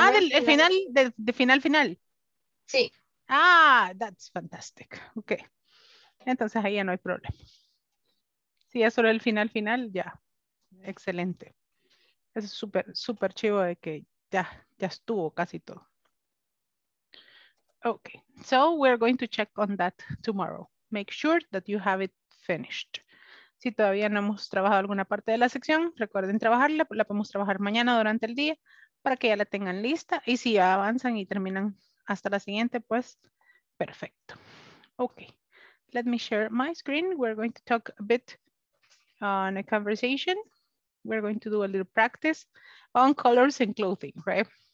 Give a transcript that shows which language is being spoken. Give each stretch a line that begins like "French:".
Spanish: El final. Sí.
English: Ah, that's fantastic.
Spanish: Ok. Entonces ahí ya no hay problema. Si ya solo el final, ya. Excelente. Es súper, súper chivo de que ya estuvo casi todo.
English: Okay, so we're going to check on that tomorrow. Make sure that you have it finished.
Spanish: Si todavía no hemos trabajado alguna parte de la sección, recuerden trabajarla, la podemos trabajar mañana durante el día para que ya la tengan lista. Y si ya avanzan y terminan hasta la siguiente, pues perfecto.
English: Okay, let me share my screen. We're going to talk a bit on a conversation. We're going to do a little practice on colors and clothing, right?